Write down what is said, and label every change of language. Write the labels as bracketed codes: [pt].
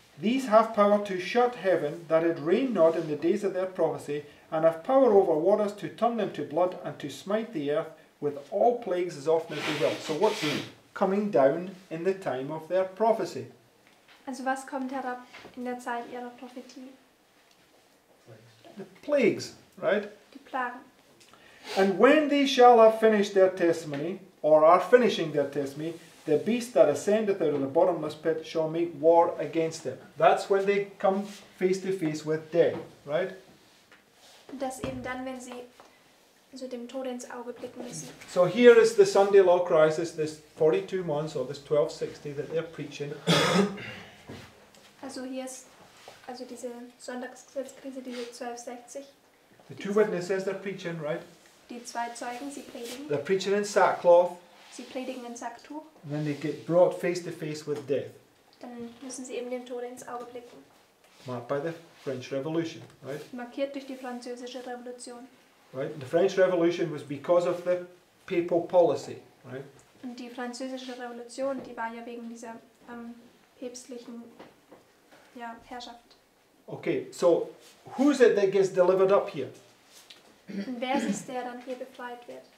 [en] These have power to shut heaven, that it rain not in the days of their prophecy, and have power over waters to turn them to blood, and to smite the earth with all plagues as often as they will. So what's this? Coming down in the time of their prophecy. [de] Also was kommt herab in der Zeit ihrer Prophetie? [en] The plagues, right? [de] Die Plagen. [en] And when they shall have finished their testimony, or are finishing their testimony, the beast that ascendeth out of the bottomless pit shall make war against them. That's when they come face to face with death, right? [de] Das eben dann, wenn sie also dem Tod ins Auge blicken müssen. [en] So here is the Sunday Law Crisis, this 42 months or this 1260 that they're preaching. [de] Also hier ist also diese Sonntagsgesetzkrise, diese 1260. [en] The two witnesses, they're preaching, right? [de] Die zwei Zeugen, sie predigen. [en] They're preaching in sackcloth. [de] Sie predigen in Sacktuch. [en] And then they get brought face to face with death. [de] Dann müssen sie eben dem Tod ins Auge blicken. [en] Marked by the French Revolution, right? [de] Markiert durch die Französische Revolution. [en] Right? The French Revolution was because of the papal policy, right? [de] Und die Französische Revolution, die war ja wegen dieser päpstlichen ja, Herrschaft. [en] Okay, so who's it that gets delivered up here? [de] Und wer ist es, der dann hier befreit wird?